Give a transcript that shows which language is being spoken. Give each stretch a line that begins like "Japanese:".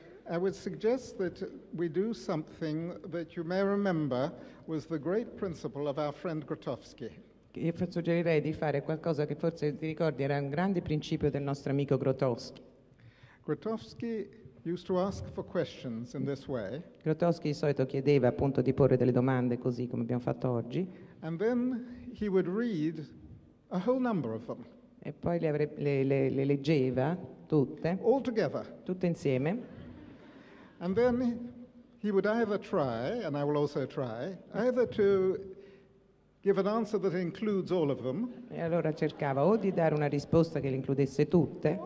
English: I would suggest that we do something that you may remember was the great principle of our friend Grotowski.
Italian: Io suggerirei di fare qualcosa che forse ti ricordi era un grande principio del nostro amico Grotowski.
English: Grotowski used to ask for questions in this way.
Italian: Grotowski di solito chiedeva appunto di porre delle domande così come abbiamo fatto oggi.
English: And then he would read a whole number of them.
Italian: E poi le leggeva tutte.
English: All together.
Italian: Tutte insieme.
English: And then he would either try, and I will also try, either to give an answer that includes all of them.
Italian: E allora cercava o di dare una risposta che le includesse tutte.